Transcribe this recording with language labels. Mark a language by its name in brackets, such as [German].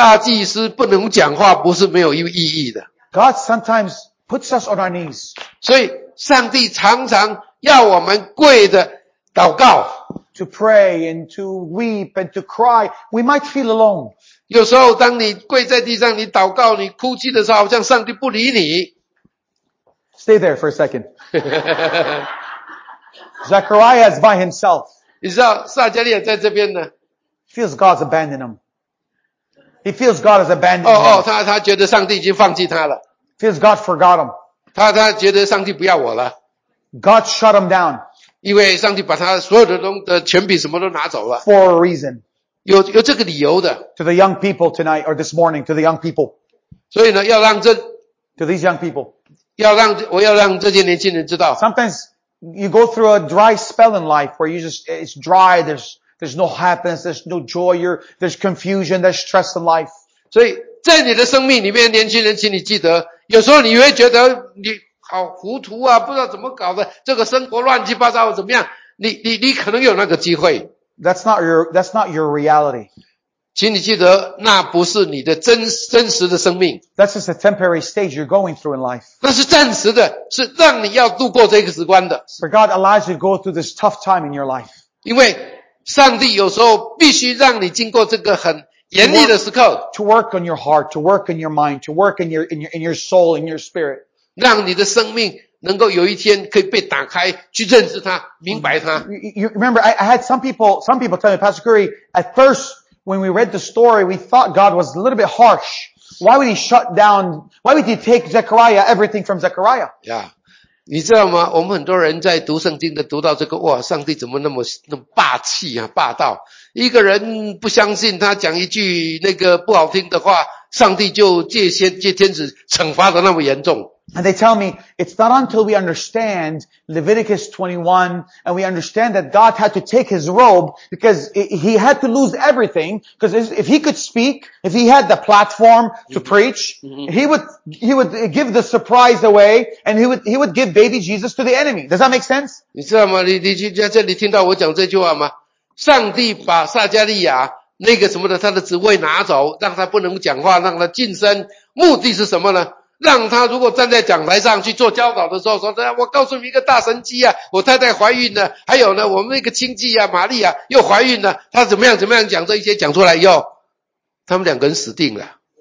[Chinese] 所以上帝不让大祭司不能讲话, 不是没有意义的。 [English] God sometimes puts us on our knees. [Chinese] 所以上帝常常要我们跪着祷告。 [English] To pray and to weep and to cry, we might feel alone. [Chinese] 有时候当你跪在地上你祷告你哭泣的时候好像上帝不理你。 [English] Stay there for a second. Zechariah is by himself. [Chinese] 你知道撒加利亚在这边呢? [English] Feels God's abandoned him. He feels God has abandoned him. [Chinese] 他觉得上帝已经放弃他了。 [English] Feels God forgot him. [Chinese] 他觉得上帝不要我了。 [English] God shut him down. [Chinese] 因为上帝把他所有的权柄什么都拿走了。 [English] For a reason. [Chinese] 有这个理由的。 [English] To the young people tonight, or this morning, to the young people. [Chinese] 所以呢, 要让这, [English] to these young people. [Chinese] 要让, 我要让这些年轻人知道。 [English] Sometimes you go through a dry spell in life where you just, it's dry, there's no happiness, there's no joy, there's confusion, there's stress in life. [Chinese] 所以在你的生命里面, 年轻人, 请你记得, 有时候你会觉得你好糊涂啊, 不知道怎么搞的, 这个生活乱七八糟, 怎么样, 你可能有那个机会。 [English] That's not your reality. [Chinese] 请你记得, 那不是你的真实的生命。 [English] That's just a temporary stage you're going through in life. [Chinese] 那是暂时的, 是让你要度过这个时光的。 [English] For God allows you to go through this tough time in your life. [Chinese] 因为上帝有时候必须让你经过这个很, 严厉的时刻, [English] to work on your heart, to work on your mind, to work in your soul, in your spirit. [Chinese] 让你的生命能够有一天可以被打开, 去认识他, 明白他。 [English] You remember, I had some people tell me, Pastor Curry, at first, when we read the story, we thought God was a little bit harsh. Why would he shut down, why would he take Zechariah, everything from Zechariah? Yeah. [Chinese] 你知道吗? 我们很多人在读圣经的读到这个, 哇, 上帝怎么那么霸气啊, 霸道。一个人不相信他讲一句那个不好听的话, 上帝就借天使惩罚的那么严重。 [English] And they tell me, it's not until we understand Leviticus 21, and we understand that God had to take his robe, because he had to lose everything, because if he could speak, if he had the platform to preach, he would give the surprise away, and he would give baby Jesus to the enemy. Does that make sense? [Chinese] 你知道吗? 你在这里听到我讲这句话吗?上帝把撒加利亚那个什么的, 他的职位拿走, 让他不能讲话, 让他晋升, 目的是什么呢? 让他如果站在讲台上去做教导的时候, 说他, 我告诉你一个大神迹啊, 我太太怀孕了, 还有呢, 我们那个亲戚啊, 玛利亚, 又怀孕了, 他怎么样怎么样讲这一些, 讲出来以后, 他们两个人死定了。